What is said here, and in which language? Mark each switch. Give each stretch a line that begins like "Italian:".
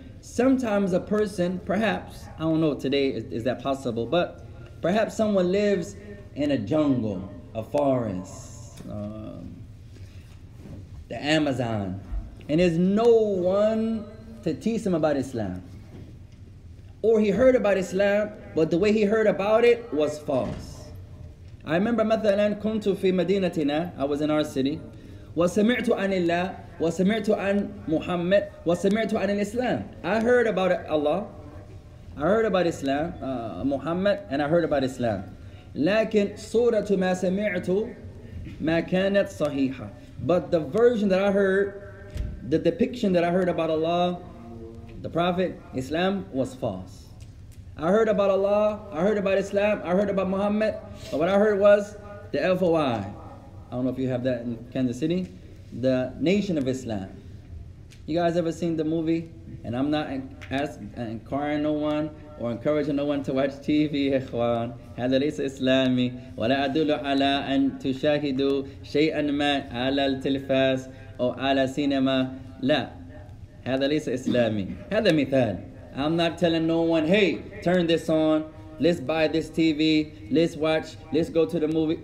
English: Sometimes a person, perhaps, I don't know today, is that possible, but perhaps someone lives in a jungle, a forest, the Amazon, and there's no one to teach him about Islam. Or he heard about Islam, but the way he heard about it was false. I remember
Arabic: مثلاً كنت في مدينتنا,
English: I was in our city,
Arabic: وسمعت عن الله, وسمعت عن محمد, وسمعت عن الإسلام.
English: I heard about Allah, I heard about Islam, Muhammad, and I heard about Islam.
Arabic: لكن صورة ما سمعت ما كانت صحيحة.
English: But the version that I heard, the depiction that I heard about Allah, the Prophet, Islam, was false. I heard about Allah, I heard about Islam, I heard about Muhammad, but what I heard was the FOI. I don't know if you have that in Kansas City, the Nation of Islam. You guys ever seen the movie? And I'm not encouraging no one or encouraging no one to watch TV, ikhwan.
Arabic: هذا ليس إسلامي ولا أدل على أن تشاهدوا شيئاً ما على التلفاز أو على سينما. لا, هذا ليس إسلامي. هذا مثال.
English: I'm not telling no one, hey, turn this on, let's buy this TV, let's watch, let's go to the movie.